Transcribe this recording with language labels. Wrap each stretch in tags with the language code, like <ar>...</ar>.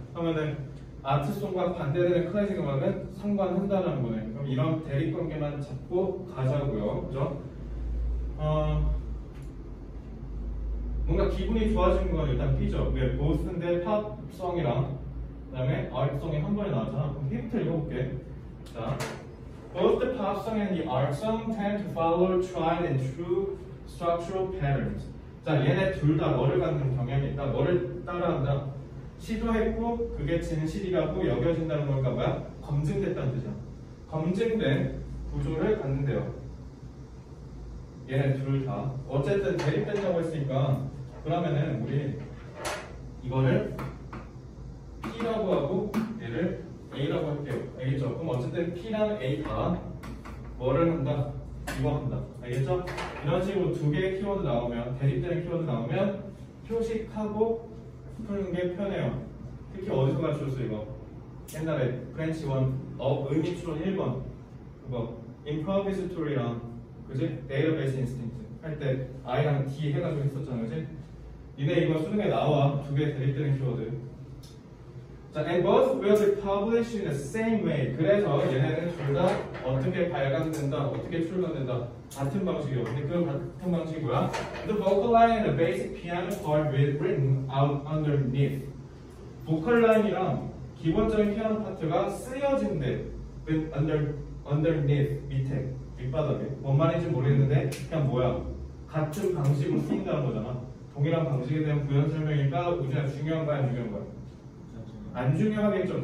<ko>그러면은 아트송과 반대되는 클래식 음악은 상관한다라는 거네. 그럼 이런 대립관계만 잡고 가자고요. 그죠? 뭔가 기분이 좋아지는 건 일단 P죠. 왜? 보스인데 팝송이랑 그 다음에 아트송이 한 번에 나왔잖아. 그럼 힌트 읽어볼게.</ko> <en>자, Both the pop song and the art song tend to follow tried and true structural patterns.</en> <ko>자, 얘네 둘 다 뭐를 갖는 경향이 있다. 뭐를 따라한다. 시도했고 그게 진실이라고 여겨진다는 걸까 봐 검증됐다는 뜻이야. 검증된 구조를 갖는데요. 얘네 둘 다 어쨌든 대립된다고 했으니까 그러면은 우리 이거를 P라고 하고 얘를 A라고 할게요. A죠. 그럼 어쨌든 P랑 A가 뭐를 한다? 이거 한다. 알겠죠? 이런 식으로 두 개의 키워드 나오면, 대립되는 키워드 나오면 표식하고 푸는 게 편해요. 특히 어디서 가르쳤어 이거? 옛날에 프렌치 원, 의미추론 1번 그거 improvisatory랑 그지?</ko> <en>database instinct</en> <ko>할 때 I랑 D 해가지고 했었잖아, 그지? 니네 이거 수능에 나와, 두 개 대립되는 키워드.</ko> <en>And both will be published in the same way.</en> <ko>그래서 얘네는 둘 다 어떻게 발간된다, 어떻게 출간된다, 같은 방식이요. 근데 그 같은 방식이 뭐야?</ko> <en>The vocal line and the basic piano part will be written out underneath.</en> <ko>보컬 라인이랑 기본적인 피아노 파트가 쓰여진대. underneath 밑에 밑바닥에. 뭔 말인지 모르겠는데 그냥 뭐야? 같은 방식으로 쓰인다는 거잖아. 동일한 방식에 대한 부연 설명이니까 우리가 중요한 거야, 중요한 거야. 안 중요하겠죠.</ko>